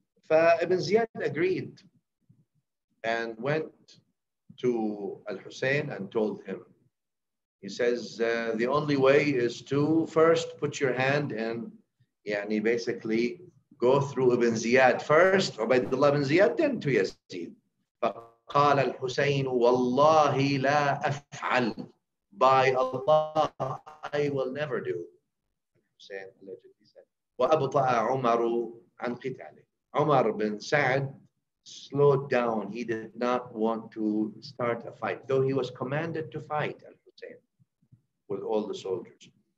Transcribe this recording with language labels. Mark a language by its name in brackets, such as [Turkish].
[English] فَإِبْن زِيَاد agreed and went to Al-Hussein and told him. He says, the only way is to first put your hand in, yani basically go through Ibn Ziyad first, Ubaidullah bin Ziyad, then to Yazid. [Arabic] فقال الحسين والله لا أفعل. [English] By Allah, I will never do. Al-Hussein allegedly said. [Arabic] وَأَبْطَأَ عُمَرُ عَنْ قِتَالِهِ. [English] Umar bin Sa'd slowed down. He did not want to start a fight, though he was commanded to fight Al-Hussein with all the soldiers.